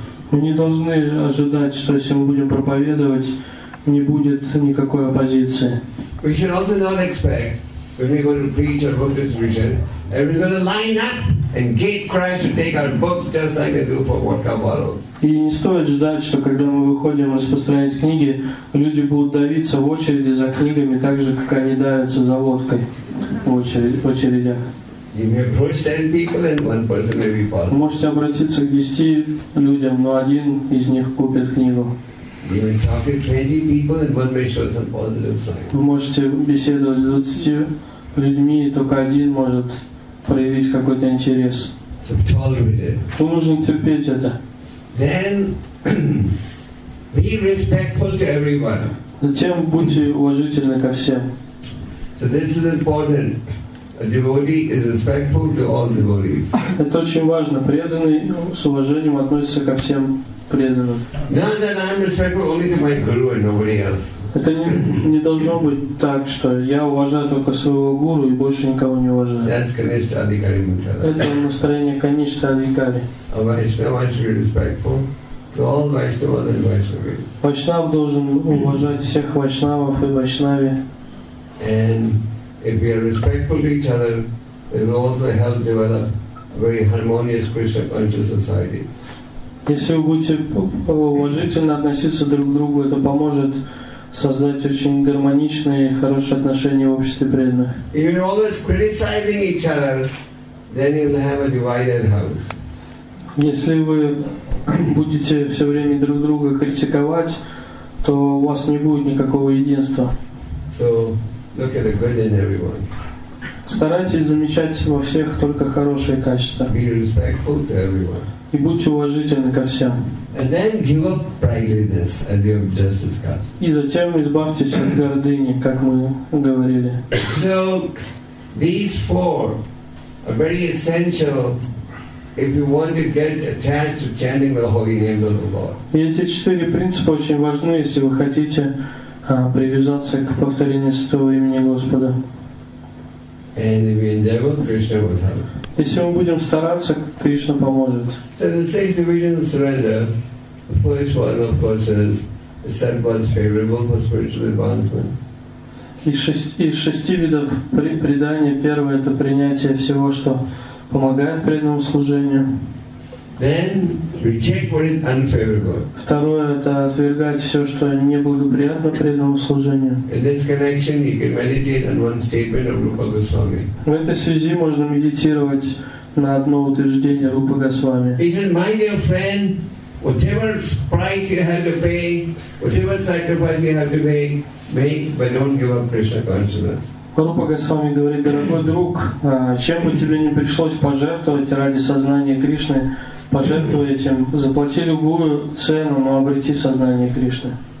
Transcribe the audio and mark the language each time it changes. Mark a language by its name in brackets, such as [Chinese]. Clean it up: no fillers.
[Russian] Мы не должны ожидать, что если мы будем проповедовать, не будет никакой оппозиции. [English] We should also not expect when we go to preach our book distribution, everyone's going to line up and gate crash to take our books just like they do for vodka bottles. [Russian] И не стоит ждать, что когда мы выходим распространять книги, люди будут давиться в очереди за книгами, так же как они давятся за водкой в очередях. [English] You may approach 10 people and one person may be possible. [Russian] Можете обратиться к 10 людям, но один из них купит книгу. [English] You may talk to 20 people and one may show some positive sign. [Russian] Вы можете беседовать с 20 людьми, и только один может проявить какой-то интерес. [English] So tolerate it. [Russian] Вы можете терпеть это. [English] Then be respectful to everyone. [Russian] Затем будьте уважительны ко всем. [English] So this is important. A devotee is respectful to all devotees. [Russian] Это очень важно. Преданный с уважением относится ко всем. [English] Now that I'm respectful only to my guru and nobody else. [Russian] Это не должно быть так, что я уважаю только своего гуру и больше никого не уважаю. [English] That's Kanishtha Adhikari Mukhada. [Russian] Это настроение Kanishtha Adhikari. [English] A Vaishnava should be respectful to all Vaishnavas and Vaishnavis. [Russian] Vaishnav должен уважать всех Vaishnavas и Vaishnavis. [English] And if we are respectful to each other, it will also help develop a very harmonious Krishna conscious society. [Russian] Если вы будете уважительно относиться друг к другу, это поможет создать очень гармоничные и хорошие отношения в обществе преданных. [English] If you're always criticizing each other, then you'll have a divided house. [Russian] Если вы будете все время друг друга критиковать, то у вас не будет никакого единства. [English] So look at the good in everyone. [Russian] Старайтесь замечать во всех только хорошие качества. [English] Be respectful to everyone. [Russian] И будьте уважительны ко всем. [English] And then give up pridefulness, as you have just discussed. [Russian] И затем избавьтесь от гордыни, как мы говорили. [English] So these four are very essential if you want to get attached to chanting the holy name of the Lord. [Russian] И эти четыре принципа очень важны, если вы хотите привязаться к повторению святого имени Господа. [English] And if we endeavor, Krishna will help. [Russian] Если мы будем стараться, Кришна поможет. [English] So the six divisions of surrender, the first one, of course, is Sarva's favorable for spiritual advancement. [Russian] Из шести видов предания первое — это принятие всего, что помогает преданному служению. [English] Then reject what is unfavorable. [Russian] Второе — это отвергать все, что неблагоприятно преданному служению. [English] In this connection, you can meditate on one statement of Rupa Goswami. [Russian] В этой связи можно медитировать на одно утверждение Рупа Госвами. [English] He says, my dear friend, whatever price you have to pay, whatever sacrifice you have to make, but don't give up Krishna consciousness. [Russian] Рупа Госвами говорит, дорогой друг, чем бы тебе не пришлось пожертвовать ради сознания Кришны, пожертвуй этим, заплати любую цену, но обрети сознание Кришны.